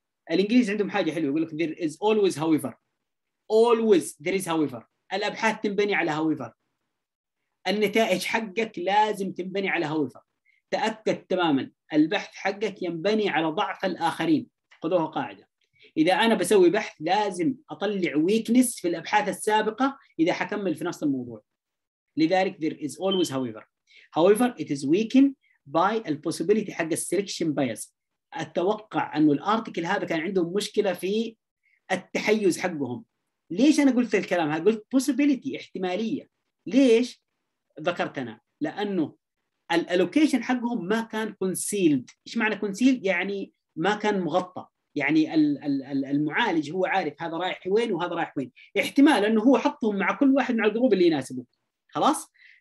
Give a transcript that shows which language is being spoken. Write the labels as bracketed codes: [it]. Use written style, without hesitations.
[ar] الانجليز عندهم حاجه حلوه يقول لك [en] there is always however، always there is however، [ar] الابحاث تنبني على [en] however، [ar] النتائج حقك لازم تنبني على however، تاكد تماما البحث حقك ينبني على ضعف الاخرين، خذوها قاعده. إذا أنا بسوي بحث لازم أطلع ويكنس في الأبحاث السابقة إذا حكمل في نفس الموضوع. لذلك [en] there is always however. However it is weakened by the possibility [ar] حق [en] selection bias. [ar] أتوقع أنه الأرتكل هذا كان عندهم مشكلة في التحيز حقهم. ليش أنا قلت الكلام هذا؟ قلت [en] possibility [ar] احتمالية. ليش ذكرت أنا؟ لأنه الallocation حقهم ما كان [en] concealed. [ar] إيش معنى [en] concealed؟ [ar] يعني ما كان مغطى. يعني المعالج هو عارف هذا رايح وين وهذا رايح وين، احتمال انه هو حطهم مع كل واحد مع الجروب اللي يناسبه، خلاص.